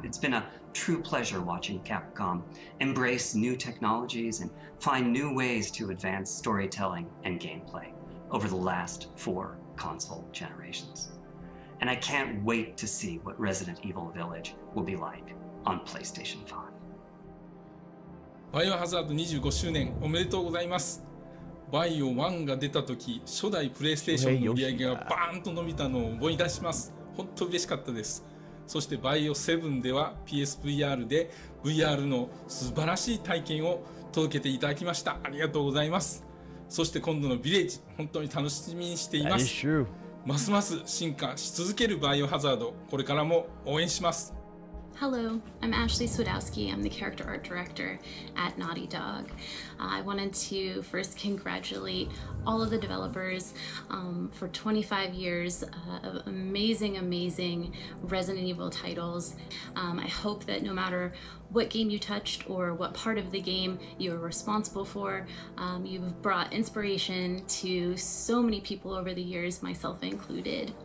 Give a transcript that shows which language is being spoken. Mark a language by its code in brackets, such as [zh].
[en] It's been a true pleasure watching Capcom embrace new technologies and find new ways to advance storytelling and gameplay over the last four console generations. And I can't wait to see what Resident Evil Village will be like on PlayStation 5. [ja] Biohazard 25周年 おめでとうございます。バイオ 1 が出た時初代プレイステーションの売り上げがバーンと伸びたのを思い出します。本当嬉しかったです。そしてバイオ 7 では PSVR で VR の素晴らしい体験を届けていただきました。ありがとうございます。そして今度のビレッジ本当に楽しみにしています。ますます進化し続けるバイオハザード、これからも応援します。 [en] Hello, I'm Ashley Swadowski. I'm the character art director at Naughty Dog. I wanted to first congratulate all of the developers for 25 years of amazing, amazing Resident Evil titles. I hope that no matter what game you touched or what part of the game you're responsible for, you've brought inspiration to so many people over the years, myself included.